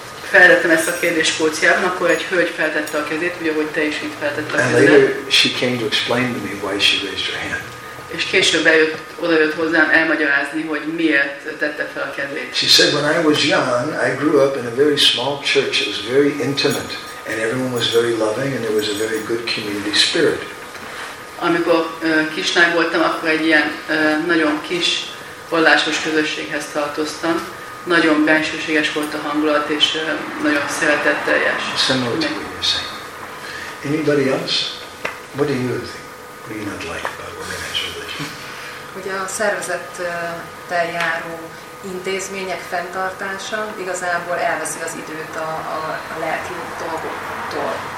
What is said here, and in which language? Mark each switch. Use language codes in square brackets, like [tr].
[hu] Feltettem ezt a kérdést Skóciában, akkor egy hölgy feltette a kezét, ugye, hogy te is itt feltette a kezét. [en] And later she came to explain to me why she raised her hand. [hu] És később odajött hozzám elmagyarázni, hogy miért tette fel a kezét. [en] She said, when I was young, I grew up in a very small church. It was very intimate, and everyone was very loving, and there was a very good community spirit. [hu] Amikor kisnál voltam, akkor egy ilyen nagyon kis vallásos közösséghez tartoztam. Nagyon bensőséges volt a hangulat, és nagyon szeretetteljes. [en] Similar to what you're saying. Anybody else? What do you think? What do you not like about organized religion? [hu] Hogy a szervezettel járó intézmények fenntartása igazából elveszi az időt a lelki dolgoktól.